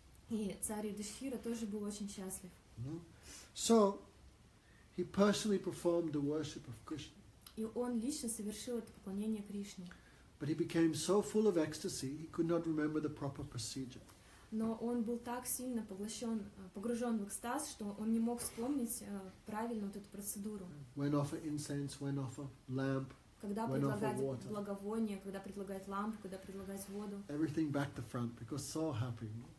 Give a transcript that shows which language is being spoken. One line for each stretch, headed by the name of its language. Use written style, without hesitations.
Russian: И царь Юдхиштхира тоже был очень счастлив.
English: So, he personally performed the worship of Krishna.
Russian: И он лично совершил это поклонение Кришне.
English: But he became so full of ecstasy, he could not remember the proper procedure.
Russian: Но он был так сильно погружен в экстаз, что он не мог вспомнить правильно вот эту процедуру.
English: When offer incense, when offer lamp,
Russian: когда
English: when
Russian: предлагать
English: offer water.
Russian: Благовоние, когда предлагать лампу, когда предлагать воду.
English: Everything back to front, because so happy.